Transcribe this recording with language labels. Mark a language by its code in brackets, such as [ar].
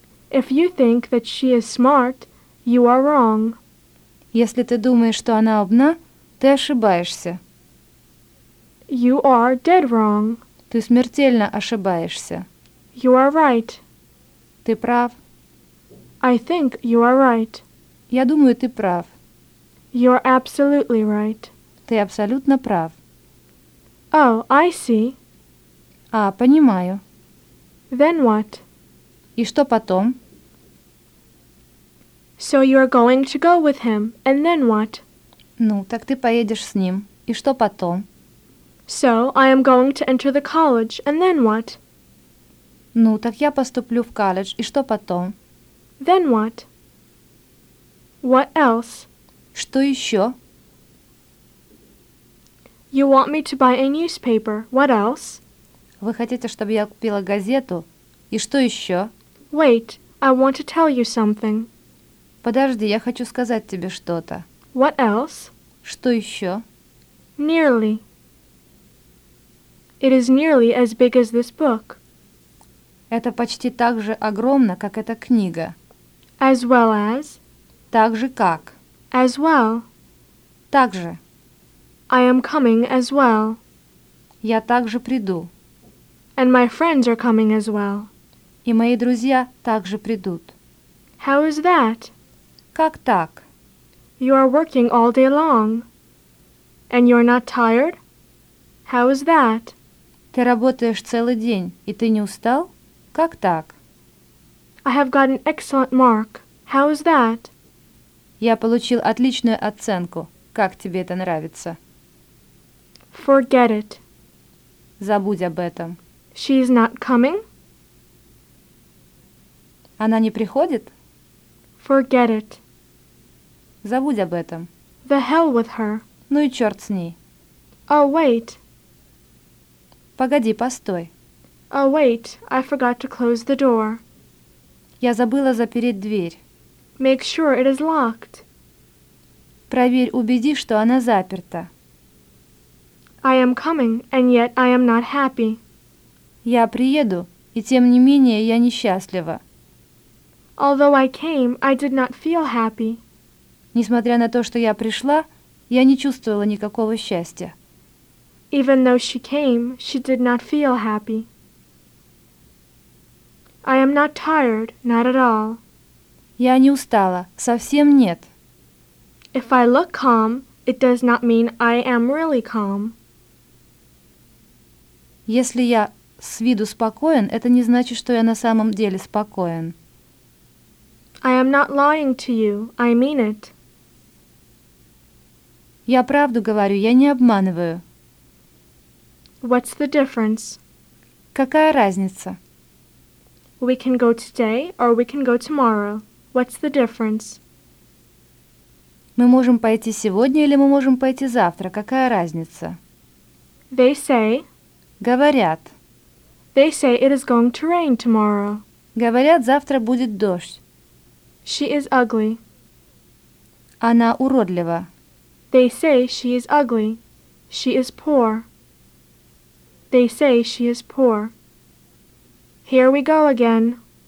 [en] If you think that she is smart, you are wrong. [ru] Если ты думаешь, что она умна, ты ошибаешься. [en] You are dead wrong. [ru] Ты смертельно ошибаешься. [en] You are right. [ru] Ты прав. [en] I think you are right. [ru] Я думаю, ты прав. [en] You are absolutely right. [ru] Ты абсолютно прав. [en] Oh, I see. [ru] А, понимаю. [en] Then what? [ru] И что потом? [en] So you are going to go with him, and then what? [ru] Ну, так ты поедешь с ним. И что потом? [en] So I am going to enter the college, and then what? [ru] Ну, так я поступлю в колледж, и что потом? [en] Then what? What else? [ru] Что еще? [en] You want me to buy a newspaper. What else? [ru] Вы хотите, чтобы я купила газету? И что еще? [en] Wait, I want to tell you something. [ru] Подожди, я хочу сказать тебе что-то. [en] What else? [ru] Что еще? [en] Nearly. It is nearly as big as this book. [ru] Это почти так же огромно, как эта книга. [en] As well as? [ru] Так же как? [en] As well. [ru] Так же. [en] I am coming as well. [ru] Я также приду. [en] And my friends are coming as well. [ru] И мои друзья также придут. [en] How is that? [ru] Как так? [en] You are working all day long. And you are not tired? How is that? [ru] Ты работаешь целый день, и ты не устал? Как так? [en] I have got an excellent mark. How is that? [ru] Я получил отличную оценку. Как тебе это нравится? [en] Forget it. [ru] Забудь об этом. [en] She is not coming? [ru] Она не приходит? [en] Forget it. [ru] Забудь об этом. [en] The hell with her. [ru] Ну и черт с ней. [en] Oh, wait. [ru] Погоди, постой. [en] Oh, wait, I forgot to close the door. [ru] Я забыла запереть дверь. [en] Make sure it is locked. [ru] Проверь, убеди, что она заперта. [en] I am coming, and yet I am not happy. [ru] Я приеду, и тем не менее я несчастлива. [en] Although I came, I did not feel happy. [ru] Несмотря на то, что я пришла, я не чувствовала никакого счастья. [en] Even though she came, she did not feel happy. I am not tired, not at all. [ru] Я не устала, совсем нет. [en] If I look calm, it does not mean I am really calm. [ru] Если я с виду спокоен, это не значит, что я на самом деле спокоен. [en] I am not lying to you, I mean it. [ru] Я правду говорю, я не обманываю. [en] What's the difference? [ru] Какая разница? [en] We can go today or we can go tomorrow. What's the difference? [ru] Мы можем пойти сегодня или мы можем пойти завтра. Какая разница? [en] They say. [ru] Говорят. [en] They say it is going to rain tomorrow. [ru] Говорят, завтра будет дождь. [en] She is ugly. [ru] Она уродлива. [en] They say she is ugly. She is poor. They say she is poor. Here we go again.